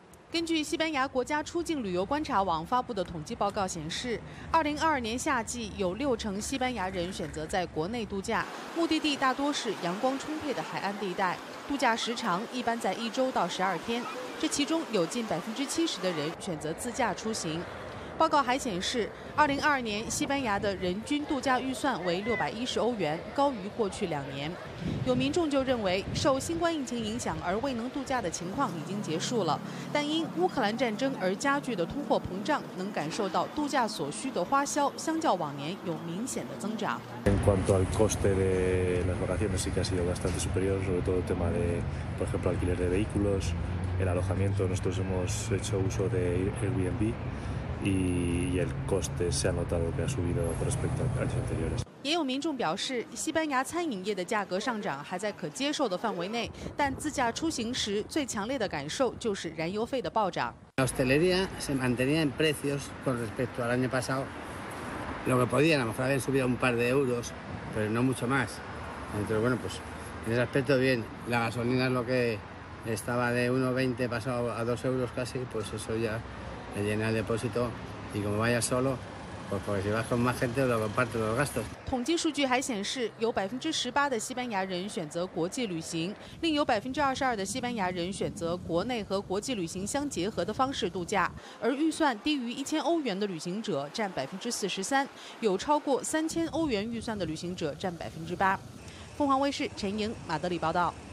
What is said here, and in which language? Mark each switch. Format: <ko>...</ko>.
<zh>根据西班牙国家出境旅游观察网发布的统计报告显示， 2022年夏季有60%西班牙人选择在国内度假，目的地大多是阳光充沛的海岸地带，度假时长一般在1周到12天，这其中有近 70% 的人选择自驾出行。报告还显示， 2022年西班牙的人均度假预算为610欧元，高于过去两年。有民众就认为，受新冠疫情影响而未能度假的情况已经结束了，但因乌克兰战争而加剧的通货膨胀，能感受到度假所需的花销相较往年有明显的增长。</zh> <es>En cuanto al coste de las vacaciones, sí que ha sido bastante superior, sobre todo el tema de, por ejemplo, alquiler de vehículos, el alojamiento. Nosotros hemos hecho uso de Airbnb. Y el coste se ha notado que ha subido con respecto a años anteriores.</es> <zh>也有民众表示，西班牙餐饮业的价格上涨还在可接受的范围内，但自驾出行时最强烈的感受就是燃油费的暴涨。</zh> <es>Hostelería se mantenía en precios con respecto al año pasado, lo que podían, a lo mejor habían subido un par de euros, pero no mucho más. Entonces bueno, pues en ese aspecto bien. La gasolina es lo que estaba de 1,20 pasado a 2 euros casi, pues eso ya. llena el depósito y como vaya solo, pues si vas con más gente lo comparte los gastos.</es> <zh>统计数据还显示，有 18% 的西班牙人选择国际旅行，另有 22% 的西班牙人选择国内和国际旅行相结合的方式度假，而预算低于1000欧元的旅行者占 43%，有超过 3000欧元预算的旅行者占 8%。凤凰卫视陈莹、马德里报道。</zh>